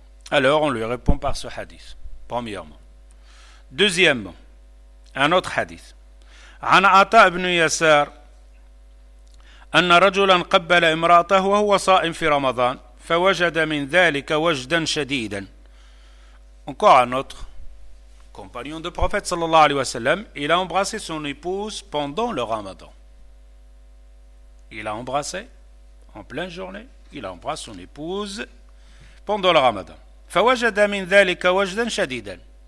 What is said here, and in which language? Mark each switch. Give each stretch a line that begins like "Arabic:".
French: Alors, on lui répond par ce hadith, premièrement. Deuxièmement, un autre hadith.
Arabic: An Ata ibn Yasar, أن رجلا قبل امرأته وهو صائم في رمضان فوجد من ذلك وجدا شديدا.
French: Encore un autre compagnon de prophète sallallahu alayhi wa sallam, il a embrassé son épouse pendant le ramadan. Il a embrassé en pleine journée, il a embrassé son épouse pendant le ramadan.
Arabic: فوجد من ذلك وجدا شديدا.